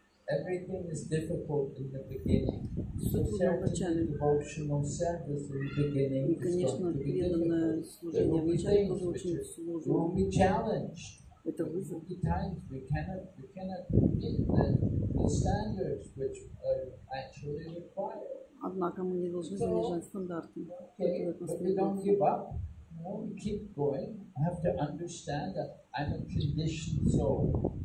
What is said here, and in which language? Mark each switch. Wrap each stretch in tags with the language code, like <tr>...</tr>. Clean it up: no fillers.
<en>Everything is difficult in the beginning. So certainly devotional service in the beginning is going to be difficult. There will be things which will be challenged.</en> <ru>Это вызов.</ru> <en>The times we cannot meet the standards which are actually required.</en> <ru>Однако мы не должны занижать стандарты.</ru> <en>Okay, but we don't give up. No, we keep going. I have to understand that I'm a conditioned soul.</en>